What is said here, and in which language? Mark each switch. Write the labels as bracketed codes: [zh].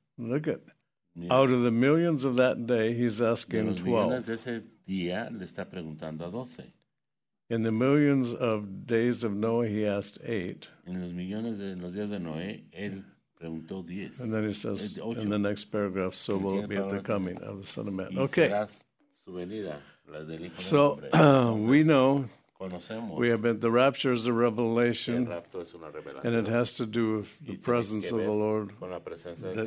[en] Look at out of the millions of that day, he's asking 12. [es] De los millones de ese día, le está preguntando a 12. [en] In the millions of days of Noah, he asked 8. [es] En los millones de los días de Noé, él preguntó 10. [en] And then he says, in the next paragraph, so will it be at the coming of the Son of Man. Okay. [es] Su venida, la del hijo [en] so, [es] del [en] we know, [es] conocemos. [en] We have been, the rapture is a revelation, [es] el rapto es una revelación. [en] And it has to do with the presence of the Lord [es] con la presencia del